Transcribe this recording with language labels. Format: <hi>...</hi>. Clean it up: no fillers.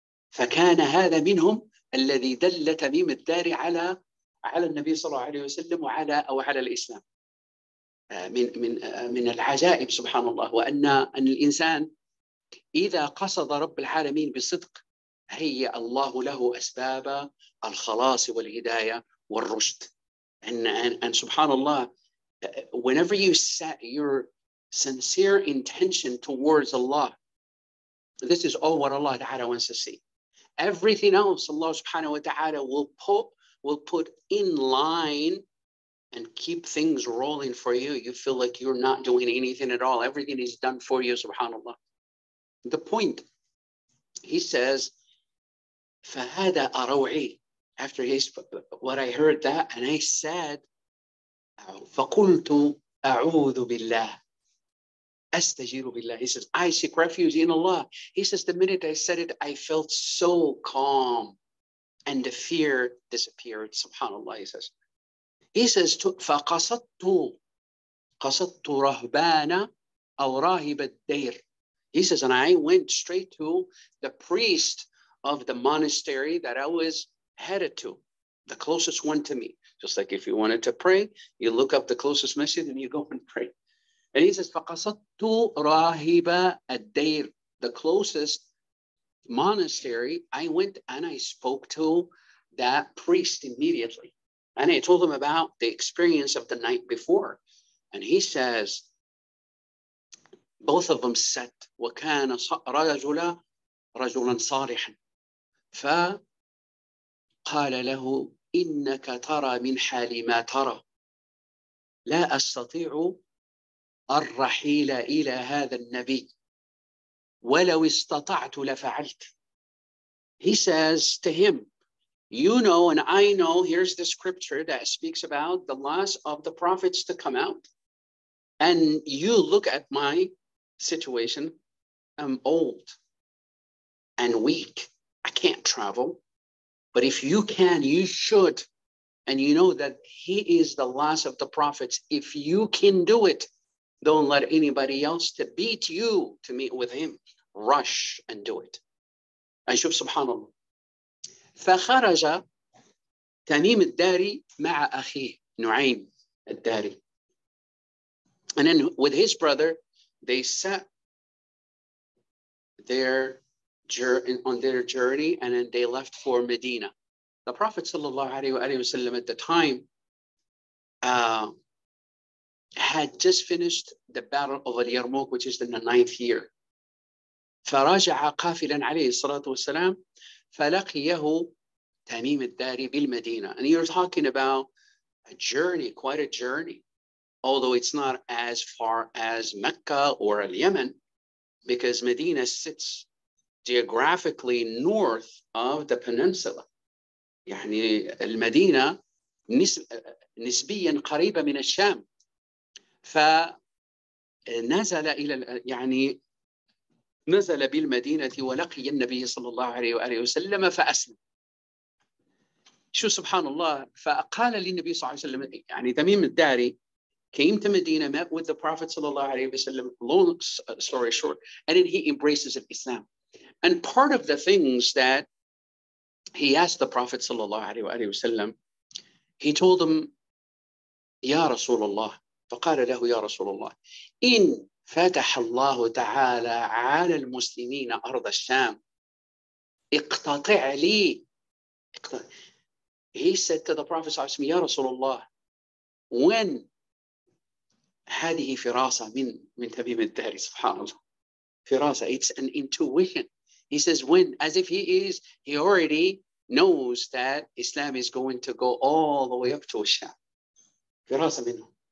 <ar>فكان هذا منهم الذي دل تميم الداري على النبي صلى الله عليه وسلم على الإسلام. من العجائب سبحان الله, وأن الإنسان إذا قصد رب العالمين بصدق هي الله له أسباب الخلاص والهداية والرشد.</ar> <en>And سبحان الله, whenever you set your sincere intention towards Allah, this is all what Allah Ta'ala wants to see. Everything else Allah Subhanahu wa Ta'ala will put in line and keep things rolling for you. You feel like you're not doing anything at all. Everything is done for you, subhanAllah. The point, he says,</en> <ar>فَهَذَا أَرَوْعِي.</ar> <en>After he spoke, what I heard that, and I said,</en> <ar>فَقُلْتُ أَعُوذُ بِاللَّهِ أَسْتَجِيرُ بِاللَّهِ.</ar> <en>He says, I seek refuge in Allah. He says, the minute I said it, I felt so calm and the fear disappeared, subhanAllah, he says. He says,</en> <ar>فَقَصَدْتُ رَهْبَانَ أَوْ رَاهِبَ الدَّيْرِ.</ar> <en>He says, and I went straight to the priest of the monastery that I was headed to, the closest one to me. Just like if you wanted to pray, you look up the closest masjid and you go and pray. And he says,</en> <ar>فَقَصَدْتُ رَاهِبَ الدَّيْرِ,</ar> <en>the closest monastery. I went and I spoke to that priest immediately. And I told him about the experience of the night before. And he says, both of them said,</en> <ar>وَكَانَ رَجُلًا رَجُلًا صَالِحًا فَقَالَ لَهُ إِنَّكَ تَرَى مِنْ حَالِ مَا تَرَى لَا أَسْتَطِيعُ الرَّحِيلَ إِلَى هَذَا النَّبِيِّ وَلَوْ اسْتَطَعْتُ لَفَعَلْتُ.</ar> <en>He says to him, you know and I know, here's the scripture that speaks about the last of the prophets to come out. And you look at my situation. I'm old and weak. I can't travel. But if you can, you should. And you know that he is the last of the prophets. If you can do it, don't let anybody else to beat you to meet with him. Rush and do it. Ashub subhanAllah.</en> <ar>فخرج تميم الداري مع أخيه نعيم الداري.</ar> <en>And then with his brother, they set their journey on their journey, and then they left for Medina. The Prophet sallallahu alaihi wasallam at the time had just finished the battle of Al-Yarmouk, which is in the ninth year.</en> <ar>فرجع قافلا عليه الصلاة والسلام فلقيه تميم الداري بالمدينة.</ar> <en>And you're talking about a journey, quite a journey, although it's not as far as Mecca or Yemen, because Medina sits geographically north of the peninsula.</en> <ar>يعني المدينة نسبيا قريبة من الشام. فنزل إلى يعني نزل بالمدينة ولقي النبي صلى الله عليه وسلم فأسلم. شو سبحان الله, فقال للنبي صلى الله عليه وسلم, يعني تميم الداري</ar> <en>came to Medina, met with the Prophet صلى الله عليه وسلم, long story short, and then he embraces Islam. And part of the things that he asked the Prophet صلى الله عليه وسلم, he told him,</en> <ar>يا رسول الله, فقال له يا رسول الله, إن فتح الله تعالى على المسلمين أرض الشام اقتطع لي.</ar> <en>He said to the Prophet</en> <ar>صلى الله عليه وسلم, يا رسول الله, when هذه فراسة من تميم الداري, سبحان الله, فراسة,</ar> <en>it's an intuition. He says, when, as if he already knows that Islam is going to go all the way up to الشام,</en> <ar>فراسة منه.</ar>